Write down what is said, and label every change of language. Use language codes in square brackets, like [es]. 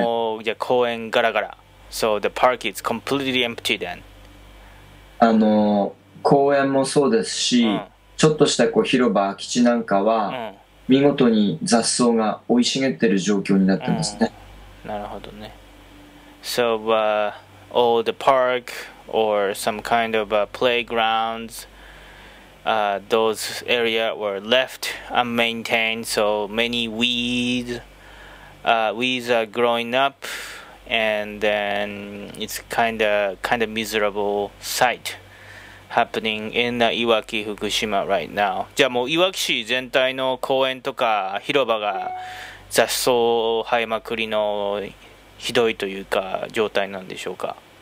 [ja] もうじゃあ公園ガラガラ。 [en] So the park is completely empty then. [ja] 公園もそうですし、うん、ちょっとしたこう広場空き地なんかは、うん、見事に雑草が生い茂ってる状況になってますね。うん、なるほどね。 [en] So、all the park or some kind of playgroundsthose area were left unmaintained, so many weeds are growing up, and then it's kind of miserable sight happening in Iwaki Fukushima right now. [ja] じゃあもういわき市全体の公園とか広場が雑草生えまくりのひどいというか状態なんでしょうか。